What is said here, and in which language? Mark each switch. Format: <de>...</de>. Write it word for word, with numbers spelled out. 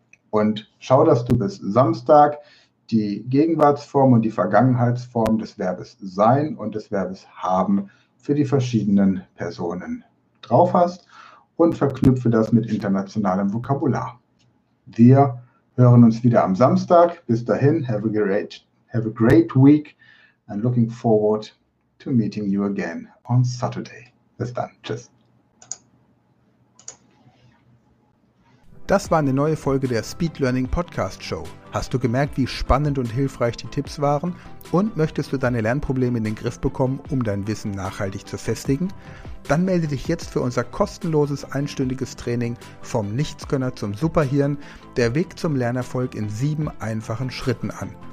<de>Und schau, dass du bis Samstag die Gegenwartsform und die Vergangenheitsform des Verbes sein und des Verbes haben für die verschiedenen Personen drauf hast und verknüpfe das mit internationalem Vokabular. Wir hören uns wieder am Samstag. Bis dahin,</de> <en>have a great, have a great week and looking forward to meeting you again on Saturday.</en> <de>Bis dann. Tschüss. Das war eine neue Folge der Speed Learning Podcast Show. Hast du gemerkt, wie spannend und hilfreich die Tipps waren? Und möchtest du deine Lernprobleme in den Griff bekommen, um dein Wissen nachhaltig zu festigen? Dann melde dich jetzt für unser kostenloses einstündiges Training vom Nichtskönner zum Superhirn, der Weg zum Lernerfolg in sieben einfachen Schritten an.</de>